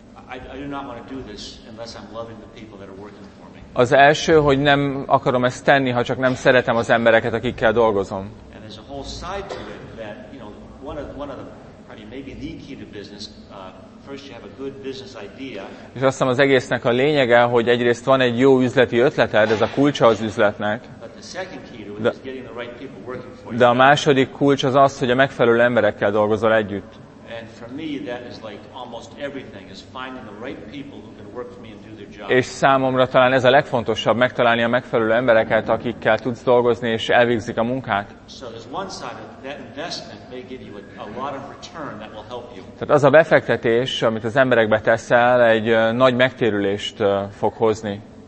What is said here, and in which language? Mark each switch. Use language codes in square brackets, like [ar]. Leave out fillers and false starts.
[en] I do not want to do this unless I'm loving the people that are working for me. [hu] Az első, hogy nem akarom ezt tenni, ha csak nem szeretem az embereket, akikkel dolgozom. [en] And there's a whole side to it that, you know, one of the, maybe the key to business, first you have a good business idea. [hu] És azt hiszem, az egésznek a lényege, hogy egyrészt van egy jó üzleti ötleted, ez a kulcsa az üzletnek. [en] But the second key to it is getting the right people working for you. [hu] De a második kulcs az az, hogy a megfelelő emberekkel dolgozol együtt. [en] And for me that is like almost everything is finding the right people who can work for me and do their job. [hu] És számomra talán ez a legfontosabb, megtalálni a megfelelő embereket, akikkel tudsz dolgozni és elvégzik a munkát. [en] So there's one side of that investment may give you a lot of return that will help you. [hu] Tehát az a befektetés, amit az emberekbe teszel, egy nagy megtérülést fog hozni.